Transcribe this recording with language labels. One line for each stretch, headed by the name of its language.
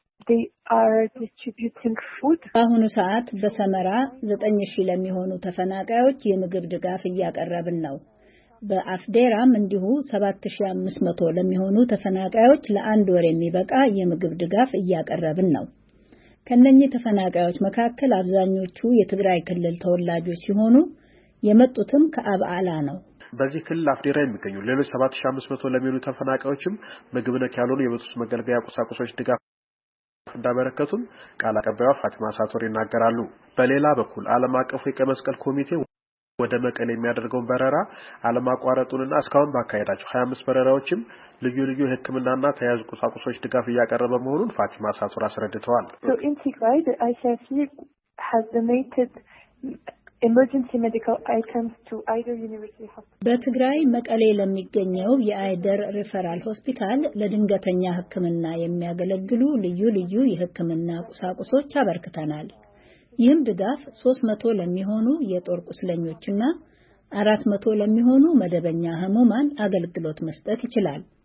English: They are distributing food.
Amharic: በአሁኑ ሰዓት በሰመራ 9000 ለሚሆኑ ተፈናቃዮች የምግብ ድጋፍ እያቀረብን ነው። በአፍዴራም እንዲሁ 7500 ለሚሆኑ ተፈናቃዮች ለአንድ ወር የሚበቃ የምግብ ድጋፍ እያቀረብን ነው። ከነኚህ ተፈናቃዮች መካከል አብዛኞቹ የትግራይ ክልል ተወላጆች ሲሆኑ የመጡትም ከአባላ ነው። በዚህ ክልል አፍዴራ የሚገኙ ሌሎች 7500 ለሚሆኑ ተፈናቃዮችም ምግብ ነክ ያልሆኑ የቤት መገልገያ ቁሳቁሶች ድጋፍ እንዳበረከቱም ቃል አቀባዩ ፋጢማ ሳቶር ይናገራሉ። በሌላ በኩል ዓለም አቀፉ የቀይ መስቀል ኮሚቴ ወደ መቀሌ የሚያደርገውን በረራ አለማቋረጡንና እስካሁን ባካሄዳቸው 25 በረራዎችም ልዩ ልዩ ህክምናና ተያያዥ ቁሳቁሶች ድጋፍ እያቀረበ መሆኑን ፋጢማ ሳቶር አስረድተዋል።
English: So in Tigray the ICRC has donated emergency medical items to Aider University Hospital.
Amharic: በትግራይ መቀሌ ለሚገኘው የአይደር ሪፈራል ሆስፒታል ለድንገተኛ ህክምና የሚያገለግሉ ልዩ ልዩ የህክምና ቁሳቁሶች አበርክተናል። ይህም ድጋፍ 300 ለሚሆኑ የጦር ቁስለኞችና 400 ለሚሆኑ መደበኛ ህሙማን አገልግሎት መስጠት ይችላል።